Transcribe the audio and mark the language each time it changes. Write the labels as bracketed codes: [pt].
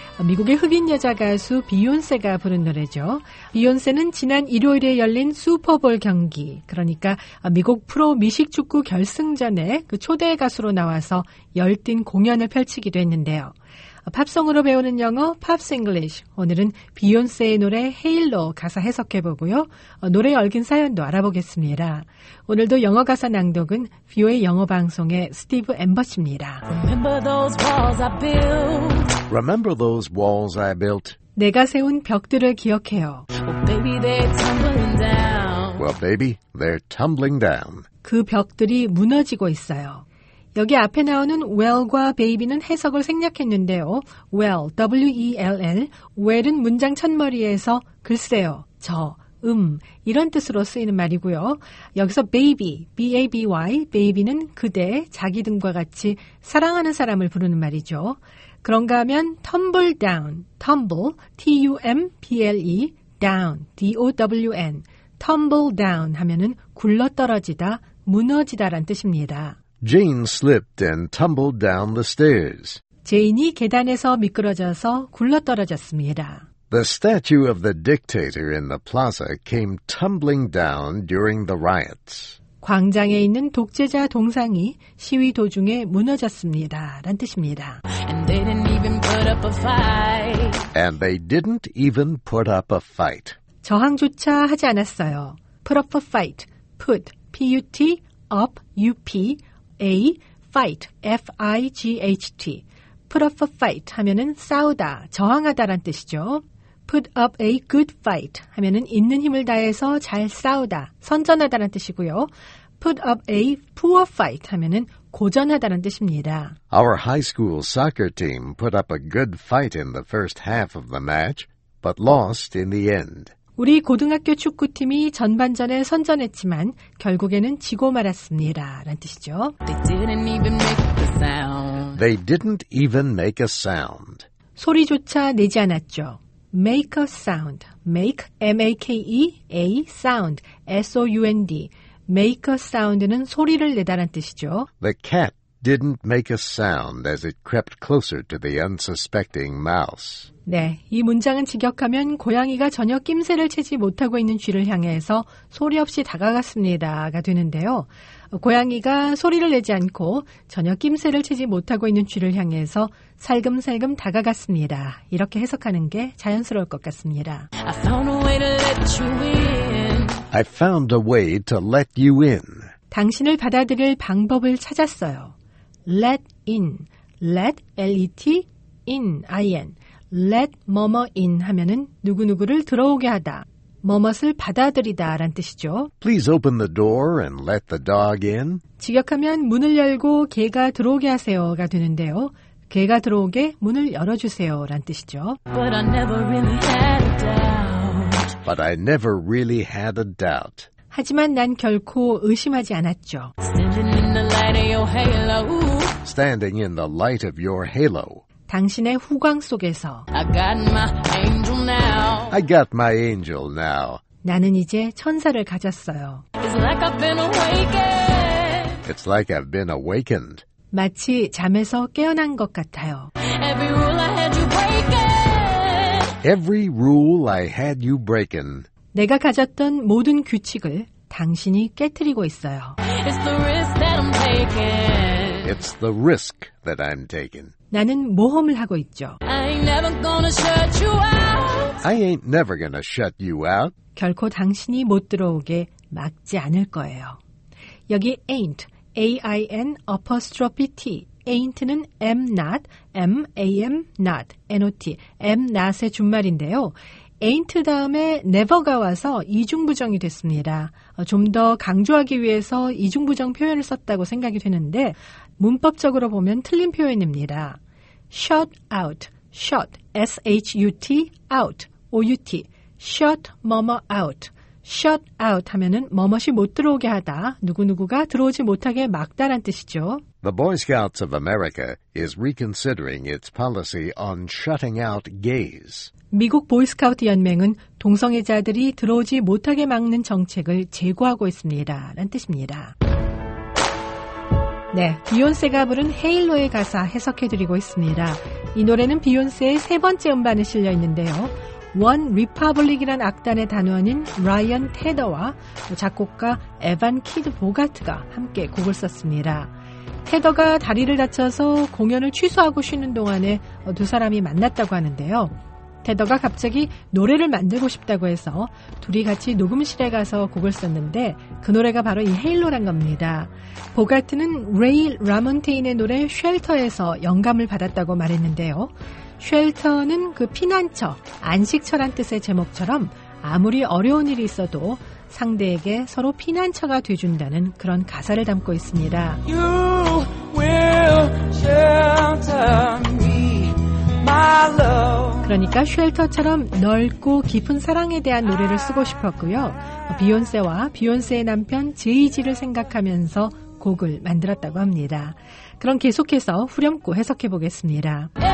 [ko] 미국의 흑인 여자 가수 비욘세가 부른 노래죠. 비욘세는 지난 일요일에 열린 슈퍼볼 경기, 그러니까 미국 프로 미식축구 결승전에 그 초대 가수로 나와서 열띤 공연을 펼치기도 했는데요. 팝송으로 배우는 영어 팝스 잉글리시, 오늘은 비욘세의 노래 헤일로 가사 해석해보고요. 노래에 얽힌 사연도 알아보겠습니다. 오늘도 영어 가사 낭독은 뷰의 영어 방송의 스티브 엠버스입니다. [en] Remember those walls I built. Remember those walls I built. [ko] 내가 세운 벽들을 기억해요. [en] Well, baby, they're tumbling down. Well, baby, they're tumbling down. [ko] 그 벽들이 무너지고 있어요. 여기 앞에 나오는 well과 baby는 해석을 생략했는데요. well, W-E-L-L, well은 문장 첫머리에서 글쎄요, 저, 이런 뜻으로 쓰이는 말이고요. 여기서 baby, B-A-B-Y, baby는 그대, 자기 등과 같이 사랑하는 사람을 부르는 말이죠. 그런가 하면 tumble down, tumble, T-U-M-B-L-E, down, D-O-W-N, tumble down 하면은 굴러떨어지다, 무너지다란 뜻입니다. [en] Jane slipped and tumbled down the stairs. [ko] 제인이 계단에서 미끄러져서 굴러떨어졌습니다. [en] The statue of the dictator in the plaza came tumbling down during the riots. [ko] 광장에 있는 독재자 동상이 시위 도중에 무너졌습니다. 라는 뜻입니다. [en] And they didn't even put up a fight. And they didn't even put up a fight. [ko] 저항조차 하지 않았어요. [en] Put up a fight. Put, P-U-T, up, U-P, A, fight, F-I-G-H-T. Put up a fight [ko] 하면은 싸우다, 저항하다란 뜻이죠. [en] Put up a good fight [ko] 하면은 있는 힘을 다해서 잘 싸우다, 선전하다란 뜻이고요. [en] Put up a poor fight [ko] 하면은 고전하다란 뜻입니다. [en] Our high school soccer team put up a good fight in the first half of the match, but lost in the end. [ko] 우리 고등학교 축구팀이 전반전에 선전했지만 결국에는 지고 말았습니다. 라는 뜻이죠. [en] They didn't even make the sound. They didn't even make a sound. [ko] 소리조차 내지 않았죠. [en] Make a sound. Make, M-A-K-E, A, sound, S-O-U-N-D. [ko] Make a sound는 소리를 내다란 뜻이죠. [en] The cat didn't make a sound as it crept closer to the unsuspecting mouse. [ko] 네, 이 문장은 직역하면 고양이가 전혀 낌새를 채지 못하고 있는 쥐를 향해서 소리 없이 다가갔습니다가 되는데요. 고양이가 소리를 내지 않고 전혀 낌새를 채지 못하고 있는 쥐를 향해서 살금살금 다가갔습니다. 이렇게 해석하는 게 자연스러울 것 같습니다. [en] I found a way to let you in. I found a way to let you in. [ko] 당신을 받아들일 방법을 찾았어요. [en] Let in. Let, L-E-T, in, I-N. [ko] Let 뭐뭐 in 하면은 누구누구를 들어오게 하다, 뭐뭇을 받아들이다 라는 뜻이죠. [en] Please open the door and let the dog in. [ko] 직역하면 문을 열고 개가 들어오게 하세요가 되는데요. 개가 들어오게 문을 열어주세요 라는 뜻이죠. [en] But I never really had a doubt. But I never really had a doubt. [ko] 하지만 난 결코 의심하지 않았죠. [en] Standing in the light of your halo. Standing in the light of your halo. [ko] 당신의 후광 속에서 [en] I got my angel now. I got my angel now. [ko] 나는 이제 천사를 가졌어요. [en] It's like I've been awakened. It's like I've been awakened. [ko] 마치 잠에서 깨어난 것 같아요. [en] Every rule I had you breaking. Every rule I had you breaking. [ko] 내가 가졌던 모든 규칙을 당신이 깨뜨리고 있어요. [en] It's the risk that I'm taking. It's the risk that I'm taking. [ko] 나는 모험을 하고 있죠. [en] I ain't never gonna shut you out. I ain't never gonna shut you out. [ko] 결코 당신이 못 들어오게 막지 않을 거예요. 여기 ain't, A-I-N apostrophe T, ain't는 am not, m a m not, n o t, am not의 준말인데요. ain't 다음에 never가 와서 이중부정이 됐습니다. 좀 더 강조하기 위해서 이중부정 표현을 썼다고 생각이 되는데 문법적으로 보면 틀린 표현입니다. shut out, shut, s-h-u-t, out, o-u-t, shut 뭐뭐 out, shut out 하면은 뭐뭇이 못 들어오게 하다, 누구누구가 들어오지 못하게 막다란 뜻이죠. [en] The Boy Scouts of America is reconsidering its policy on shutting out gays. [ko] 미국 보이스카우트 연맹은 동성애자들이 들어오지 못하게 막는 정책을 재고하고 있습니다. 라는 뜻입니다. 네, 비욘세가 부른 헤일로의 가사 해석해드리고 있습니다. 이 노래는 비욘세의 세 번째 음반에 실려있는데요. 원 리퍼블릭이란 악단의 단원인 라이언 테더와 작곡가 에반 키드 보가트가 함께 곡을 썼습니다. 테더가 다리를 다쳐서 공연을 취소하고 쉬는 동안에 두 사람이 만났다고 하는데요. 테더가 갑자기 노래를 만들고 싶다고 해서 둘이 같이 녹음실에 가서 곡을 썼는데 그 노래가 바로 이 헤일로란 겁니다. 보가트는 레이 라몬테인의 노래 쉘터에서 영감을 받았다고 말했는데요. 쉘터는 그 피난처, 안식처란 뜻의 제목처럼 아무리 어려운 일이 있어도 상대에게 서로 피난처가 돼준다는 그런 가사를 담고 있습니다. [en] You will shelter me, my love. [ko] 그러니까 쉘터처럼 넓고 깊은 사랑에 대한 노래를 쓰고 싶었고요. 비욘세와 비욘세의 남편 제이지를 생각하면서 곡을 만들었다고 합니다. 그럼 계속해서 후렴구 해석해 보겠습니다.